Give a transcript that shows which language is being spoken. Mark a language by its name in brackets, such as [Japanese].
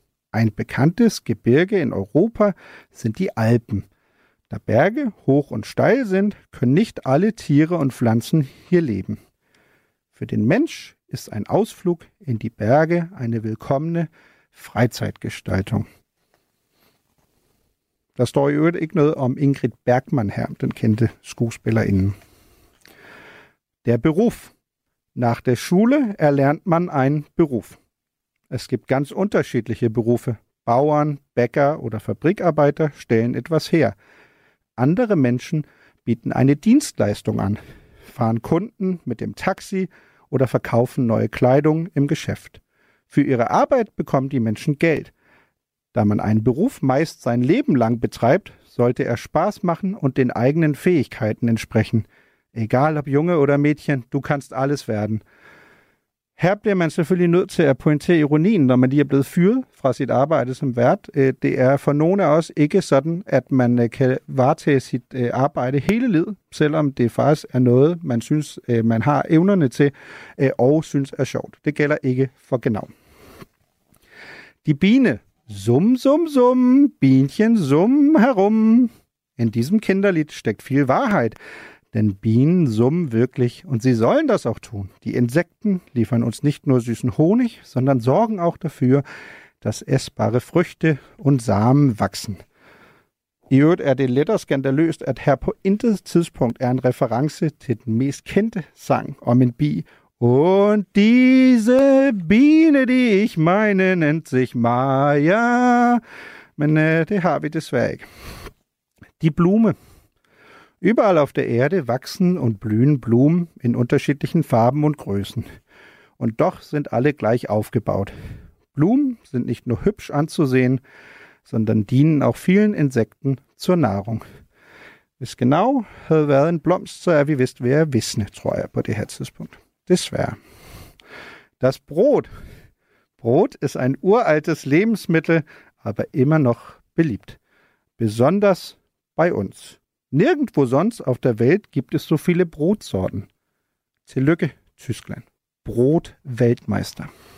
[German] Ein bekanntes Gebirge in Europa sind die Alpen. Da Berge hoch und steil sind, können nicht alle Tiere und Pflanzen hier leben. Für den Mensch ist ein Ausflug in die Berge eine willkommene Freizeitgestaltung. [Danish] Der står i øvrigt ikke noget om Ingrid Bergman her, den kendte skuespillerinde. [German] Der Beruf. Nach der Schule erlernt man einen Beruf. Es gibt ganz unterschiedliche Berufe. Bauern, Bäcker oder Fabrikarbeiter stellen etwas her. Andere Menschen bieten eine Dienstleistung an, fahren Kunden mit dem Taxi oder verkaufen neue Kleidung im Geschäft. Für ihre Arbeit bekommen die Menschen Geld. Da man einen Beruf meist sein Leben lang betreibt, sollte er Spaß machen und den eigenen Fähigkeiten entsprechen. Egal ob Junge oder Mädchen, du kannst alles werden. [Danish] Her bliver man selvfølgelig nødt til at pointere ironien, når man lige er blevet fyret fra sit arbejde som vært. Det er for nogle af os ikke sådan, at man kan varetage sit arbejde hele livet, selvom det faktisk er noget, man synes, man har evnerne til og synes er sjovt. Det gælder ikke for Genau. [German] Die Biene. Summ, summ, summ, Bienchen summ herum. In diesem Kinderlied steckt viel Wahrheit, denn Bienen summen wirklich und sie sollen das auch tun. Die Insekten liefern uns nicht nur süßen Honig, sondern sorgen auch dafür, dass essbare Früchte und Samen wachsen. [Danish] Ihr hört er den letter skandaløs, at her på intet tidspunkt er en reference til den mest kendte sang om en bi. [German] Und diese Biene, die ich meine, nennt sich Maya. [Danish] Men det har vi desværre ikke. [German] Die Blume. Überall auf der Erde wachsen und blühen Blumen in unterschiedlichen Farben und Größen. Und doch sind alle gleich aufgebaut. Blumen sind nicht nur hübsch anzusehen, sondern dienen auch vielen Insekten zur Nahrung. [Danish] Ist Genau havde været en blomst, så er vi vist ved at visne, tror jeg på det her tidspunkt. Desværre. [German] Das Brot. Brot ist ein uraltes Lebensmittel, aber immer noch beliebt. Besonders bei uns. Nirgendwo sonst auf der Welt gibt es so viele Brotsorten. [Danish] Tillykke, Tyskland. [German] Brot-Weltmeister.